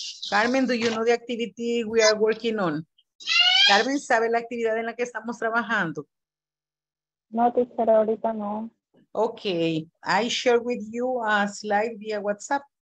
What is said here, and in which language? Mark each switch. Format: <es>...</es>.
<en>Carmen, do you know the activity we are working on?</en> <es>Carmen, ¿sabe la actividad en la que estamos trabajando? No, teacher, ahorita no.</es> <en>Okay, I share with you a slide via WhatsApp.</en>